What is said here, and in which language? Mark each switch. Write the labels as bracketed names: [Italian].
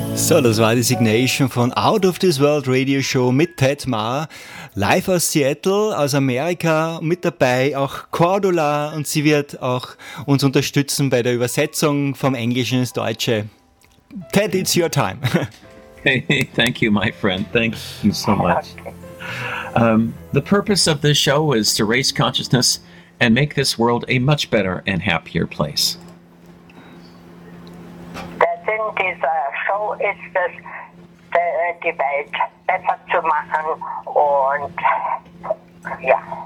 [German] Das war die Signation von Out of This World Radio Show mit Ted Marr, live aus Seattle, aus Amerika, mit dabei auch Cordula und sie wird auch uns unterstützen bei der Übersetzung vom Englischen ins Deutsche. [English] Ted, it's your time. Hey, thank you, my friend. Thank you so much. The purpose of this show is to raise consciousness and make this world a much better and happier place. [German] Der Sinn dieser Show ist es, die Welt besser zu machen und ja.